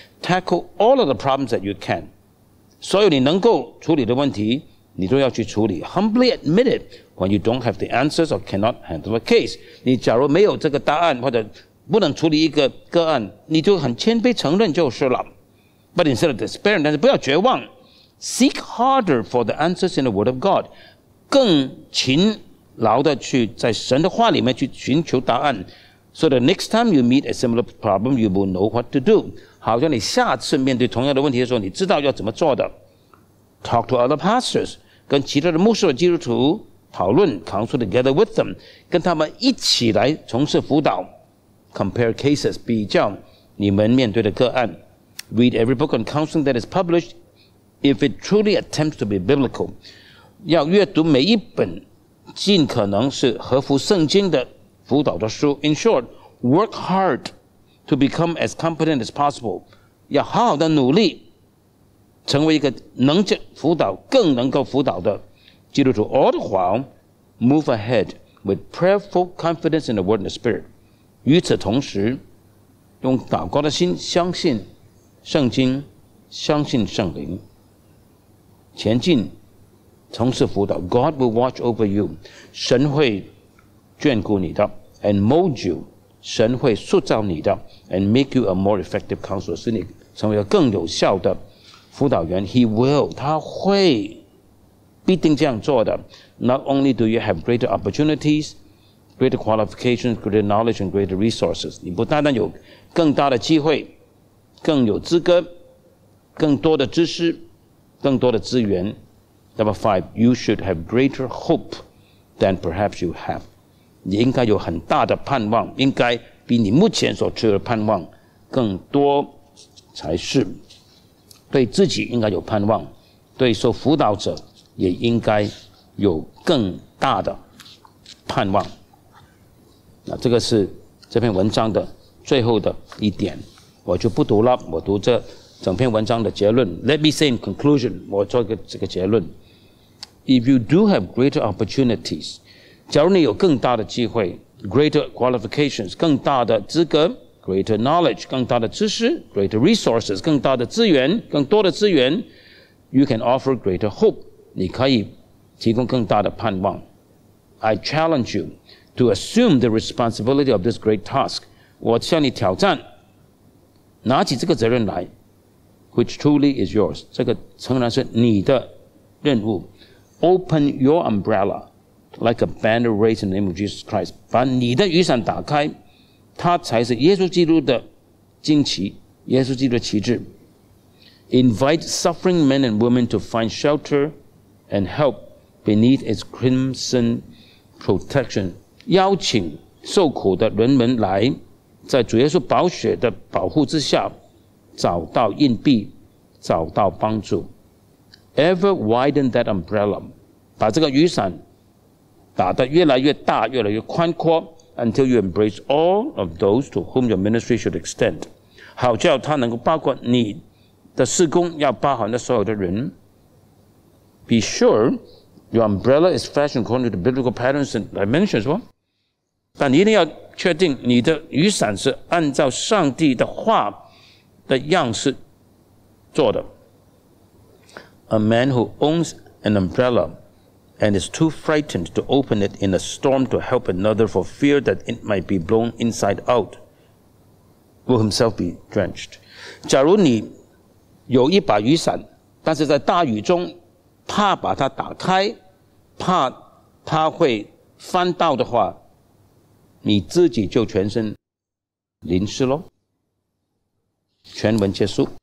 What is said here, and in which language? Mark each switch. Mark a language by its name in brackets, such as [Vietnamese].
[English] Tackle all of the problems that you can， [Chinese] 所有你能够处理的问题你都要去处理。 [English] Humbly admit it when you don't have the answers or cannot handle a case， [Chinese] 你假如没有这个答案或者不能处理一个个案，你就很谦卑承认就是了。 [English] But instead of despair， [Chinese] 但是不要绝望， [English] Seek harder for the answers in the word of God， [Chinese] 更勤劳的去在神的话里面去寻求答案。 [English] So the next time you meet a similar problem you will know what to do， [Chinese] 好像你下次面对同样的问题的时候你知道要怎么做的。 [English] Talk to other pastors， [Chinese] 跟其他的牧师和基督徒讨论， [English] counsel together with them， [Chinese] 跟他们一起来从事辅导。 [English] Compare cases， [Chinese] 比较你们面对的个案。 [English] Read every book on counseling that is published if it truly attempts to be biblical， [Chinese] 要阅读每一本尽可能是合乎圣经的辅导的书。 [English] In short， work hard to become as competent as possible， [Chinese] 要好好的努力成为一个能辅导更能够辅导的基督徒。 [English] All the while move ahead with prayerful confidence in the word and the spirit， [Chinese] 与此同时用祷告的心相信圣经，相信圣灵前进从事辅导。 [English] God will watch over you， [Chinese] 神会眷顾你的。 [English] And mold you， [Chinese] 神会塑造你的。 [English] And make you a more effective counselor， [Chinese] 使你成为一个更有效的辅导员。 [English] He will， [Chinese] 他会必定这样做的。 [English] Not only do you have greater opportunities, greater qualifications, greater knowledge and greater resources， [Chinese] 你不单单有更大的机会，更有资格，更多的知识，更多的资源。 [English] Number five， you should have greater hope than perhaps you have， [Chinese] 你应该有很大的盼望，应该比你目前所持有的盼望更多才是。对自己应该有盼望，对说辅导者也应该有更大的盼望。那这个是这篇文章的最后的一点，我就不读了，我读这整篇文章的结论。 [English] Let me say in conclusion， [Chinese] 我做一个这个结论。 [English] If you do have greater opportunities， [Chinese] 假如你有更大的机会， [English] greater qualifications， [Chinese] 更大的资格， [English] greater knowledge， [Chinese] 更大的知识， [English] greater resources， [Chinese] 更大的资源，更多的资源， [English] you can offer greater hope， [Chinese] 你可以提供更大的盼望。 [English] I challenge you to assume the responsibility of this great task， [Chinese] 我向你挑战拿起这个责任来， [English] which truly is yours， [Chinese] 这个诚然是你的任务。 [English] Open your umbrella like a banner raised in the name of Jesus Christ， [Chinese] 把你的雨伞打开，它才是耶稣基督的旌旗，耶稣基督的旗帜。 [English] Invite suffering men and women to find shelter and help beneath its crimson protection， [Chinese] 邀请受苦的人们来在主耶稣宝血的保护之下找到硬币，找到帮助。 [English] Ever widen that umbrella， [Chinese] 把这个雨伞打得越来越大，越来越宽阔， [English] until you embrace all of those to whom your ministry should extend， [Chinese] 好叫它能够包括你的事工要包含的所有的人。 [English] Be sure your umbrella is fashioned according to the biblical patterns and dimensions， [Chinese] 但你一定要确定你的雨伞是按照上帝的话的样式做的。 [English] A man who owns an umbrella and is too frightened to open it in a storm to help another for fear that it might be blown inside out will himself be drenched。 [Chinese] 假如你有一把雨伞，但是在大雨中怕把它打开，怕它会翻到的话，你自己就全身淋湿咯。全文结束。